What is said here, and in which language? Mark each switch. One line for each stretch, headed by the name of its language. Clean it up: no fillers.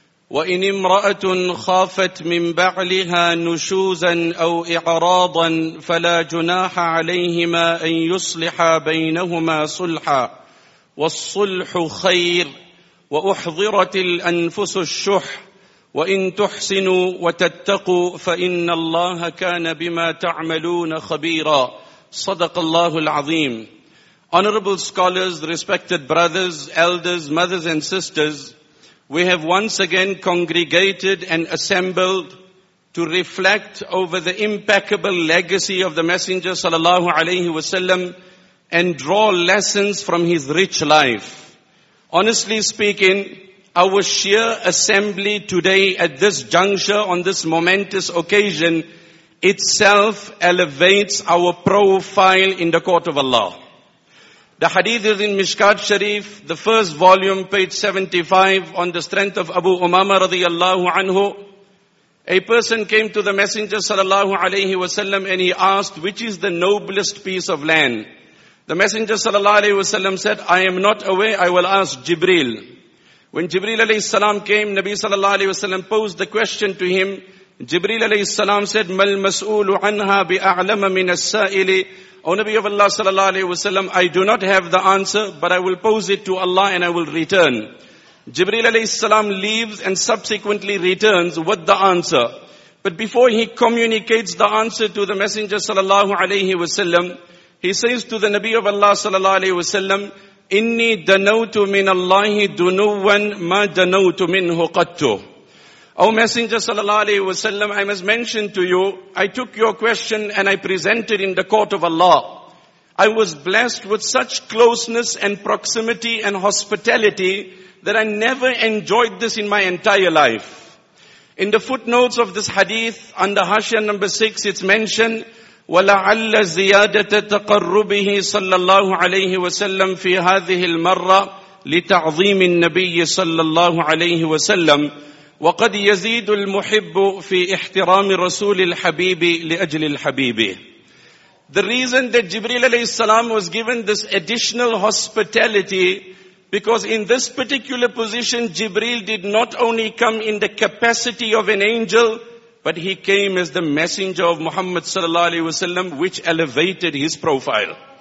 Arabic: وإن امرأة خافت من بعلها نشوزا أو إعراضا فلا جناح عليهما أن يصلحا بينهما صلحا والصلح خير وأحضرت الأنفس الشح وإن تحسنوا وتتقوا فإن الله كان بما تعملون خبيرا. صدق الله العظيم.
English: Honorable scholars, respected brothers, elders, mothers and sisters, we have once again congregated and assembled to reflect over the impeccable legacy of the Messenger sallallahu alayhi wasallam and draw lessons from his rich life. Honestly speaking, our sheer assembly today at this juncture on this momentous occasion itself elevates our profile in the court of Allah. The hadith is in Mishkat Sharif, the first volume, page 75, on the strength of Abu Umama radiallahu anhu. A person came to the Messenger sallallahu alayhi wasallam and he asked, which is the noblest piece of land? The Messenger sallallahu alayhi wasallam said, I am not aware, I will ask Jibreel. When Jibreel alayhi salam came, Nabi sallallahu alayhi wasallam posed the question to him.
Arabic: Jibreel alayhi salam said, مَا الْمَسْؤُولُ عَنْهَا بِأَعْلَمَ مِنَ السَّائِلِ.
English: O Nabi of Allah sallallahu alayhi wasallam, I do not have the answer, but I will pose it to Allah and I will return. Jibreel alayhi salam leaves and subsequently returns with the answer. But before he communicates the answer to the Messenger sallallahu alayhi wasallam, he says to the Nabi of Allah sallallahu alayhi wasallam,
Arabic: Inni danawtu min Allahi dunuwan ma danawtu minhu qattu.
English: O Messenger sallallahu alayhi wasallam, I must mention to you, I took your question and I presented in the court of Allah. I was blessed with such closeness and proximity and hospitality that I never enjoyed this in my entire life. In the footnotes of this hadith, under Hashiyah number 6, it's mentioned,
Arabic: وَلَعَلَّ زِيَادَةَ تَقَرُّبِهِ صَلَّى اللَّهُ عَلَيْهِ وَسَلَّمْ فِي هَذِهِ الْمَرَّةِ لِتَعْظِيمِ النَّبِيِّ صَلَّى اللَّهُ عَلَيْهِ وَسَلَّمْ وَقَدْ يَزِيدُ الْمُحِبُّ فِي إِحْتِرَامِ رَسُولِ الْحَبِيبِ لِأَجْلِ الْحَبِيبِ.
English: The reason that Jibreel alayhi salam was given this additional hospitality, because in this particular position, Jibreel did not only come in the capacity of an angel, but he came as the messenger of Muhammad sallallahu alayhi wasallam, which elevated his profile.